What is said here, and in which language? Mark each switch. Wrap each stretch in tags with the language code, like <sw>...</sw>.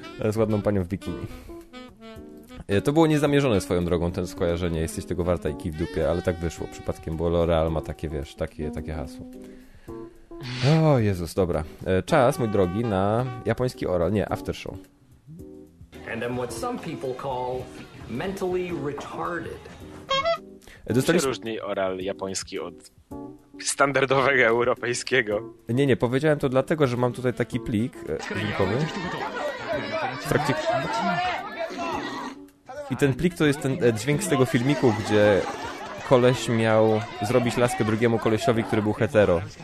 <pl>Z ładną panią w bikini. To było niezamierzone swoją drogą, ten skojarzenie, jesteś tego warta i kij w dupie, ale tak wyszło przypadkiem, bo L'Oreal ma takie, wiesz, takie hasło. O Jezus, dobra. Czas, mój drogi, na japoński oral, nie, aftershow.</pl> <en>And I'm what some people call mentally retarded.</en> <pl>Dostaliśmy różny oral japoński od standardowego europejskiego. Nie, powiedziałem to dlatego, że mam tutaj taki plik linkowy. W trakcie... I ten plik to jest ten dźwięk z tego filmiku, gdzie koleś miał zrobić laskę drugiemu kolesiowi, który był hetero.</pl>